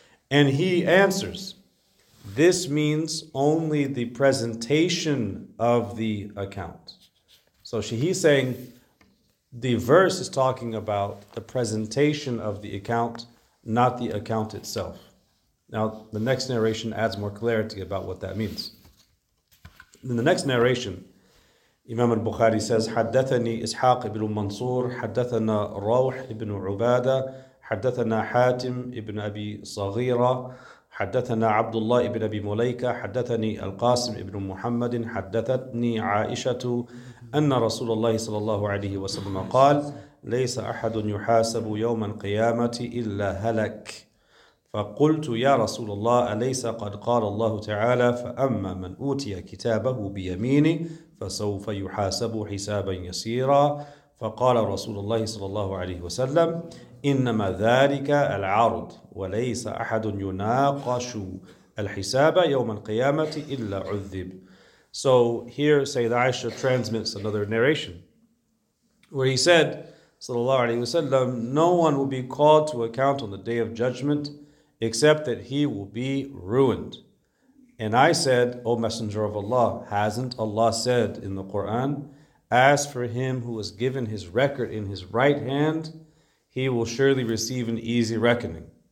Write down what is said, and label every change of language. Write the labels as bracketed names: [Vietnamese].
[English] And he answers, this means only the presentation of the account. So he's saying, the verse is talking about the presentation of the account, not the account itself. Now, the next narration adds more clarity about what that means. In the next narration, Imam al-Bukhari says, [Arabic] حدثني إسحاق بن منصور حدثنا روح بن عبادة حدثنا حاتم بن أبي صغيرة حدثنا عبد الله بن أبي مليكة حدثني القاسم بن محمد حدثتني عائشة أن رسول الله صلى الله عليه وسلم قال ليس أحد يحاسب يوم القيامة إلا هلك. فقلت يا رسول الله أليس قد قال الله تعالى فأما من أوتي كتابه بيمينه فسوف يحاسب حسابا يسيرا. فقال رسول الله صلى الله عليه وسلم إنما ذلك العرض وليس أحد يناقش الحساب يوم القيامة إلا عذب. [English] So here Sayyidah Aisha transmits another narration where he said sallallahu alayhi wasallam, no one will be called to account on the day of judgment except that he will be ruined. And I said, O Messenger of Allah, hasn't Allah said in the Quran, as for him who was given his record in his right hand, he will surely receive an easy reckoning.